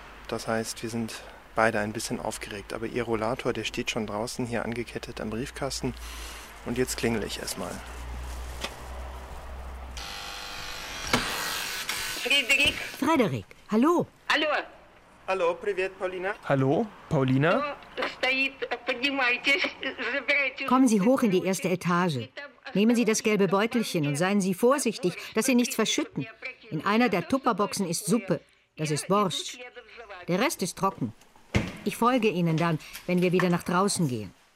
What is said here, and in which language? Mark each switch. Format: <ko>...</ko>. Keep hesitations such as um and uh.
<de>Das heißt, wir sind beide ein bisschen aufgeregt. Aber ihr Rollator, der steht schon draußen hier angekettet am Briefkasten. Und jetzt klingel ich erstmal.</de> <ru>Фредерик.</ru> <de>Frederik, hallo.</de> <ru>Алло,</ru> <de>Hallo, привет, Paulina. Hallo, Paulina?</de> <ru>кто стоит, поднимайтесь, забирайте.</ru> <de>Kommen Sie hoch in die erste Etage. Nehmen Sie das gelbe Beutelchen und seien Sie vorsichtig, dass Sie nichts verschütten. In einer der Tupperboxen ist Suppe. Das ist Borscht. Der Rest ist trocken. Ich folge Ihnen dann, wenn wir wieder nach draußen gehen.</de>